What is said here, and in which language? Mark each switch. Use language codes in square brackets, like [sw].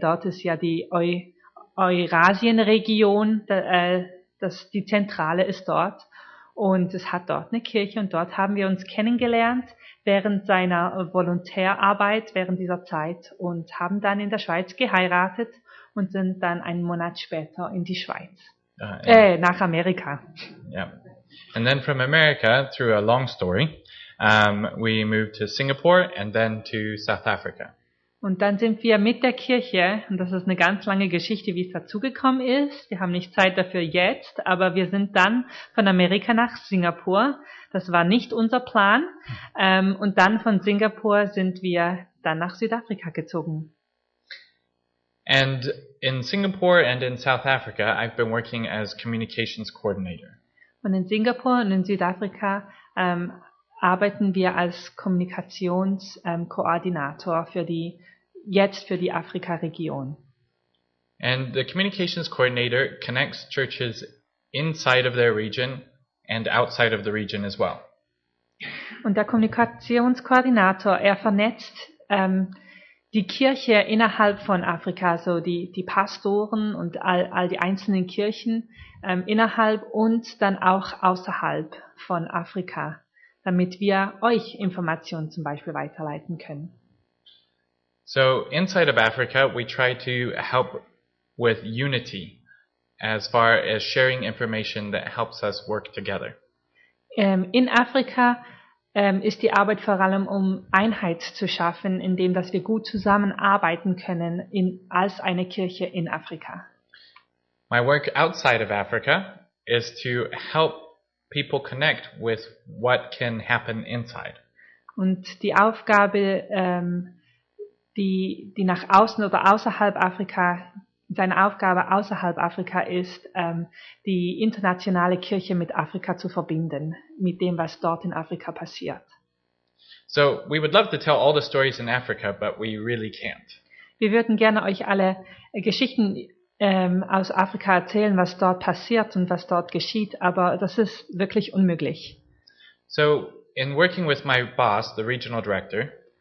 [de] Dort ist ja die Eurasienregion, die Zentrale ist dort. Und es hat dort eine Kirche und dort haben wir uns kennengelernt während seiner Volontärarbeit, während dieser Zeit und haben dann in der Schweiz geheiratet und sind dann einen Monat später in die Schweiz, nach Amerika. [en] Yeah. And then from America, through a long story, we moved to Singapore and then to South Africa. [de] Und dann sind wir mit der Kirche, und das ist eine ganz lange Geschichte, wie es dazugekommen ist. Wir haben nicht Zeit dafür jetzt, aber wir sind dann von Amerika nach Singapur. Das war nicht unser Plan. Und dann von Singapur sind wir dann nach Südafrika gezogen. [en] And in Singapore and in South Africa, I've been working as communications coordinator. [de] Und in Singapur und in Südafrika, arbeiten wir als Kommunikationskoordinator für die Afrika-Region. [en] And the communications coordinator connects churches inside of their region and outside of the region as well. [de] Und der Kommunikationskoordinator, er vernetzt die Kirche innerhalb von Afrika, so die Pastoren und all die einzelnen Kirchen innerhalb und dann auch außerhalb von Afrika, damit wir euch Informationen zum Beispiel weiterleiten können. [en] So inside of Africa, we try to help with unity as far as sharing information that helps us work together. [de] In Afrika ist die Arbeit vor allem, um Einheit zu schaffen, indem dass wir gut zusammenarbeiten können als eine Kirche in Afrika. [en] My work outside of Africa is to help people connect with what can happen inside. [de] Und die Aufgabe, die nach außen oder außerhalb Afrika, seine Aufgabe außerhalb Afrika ist, die internationale Kirche mit Afrika zu verbinden, mit dem, was dort in Afrika passiert. [en] So, we would love to tell all the stories in Africa, but we really can't. [de] Wir würden gerne euch alle Geschichten aus Afrika erzählen, was dort passiert und was dort geschieht, aber das ist wirklich unmöglich. [en] So, in working with my boss, the regional director,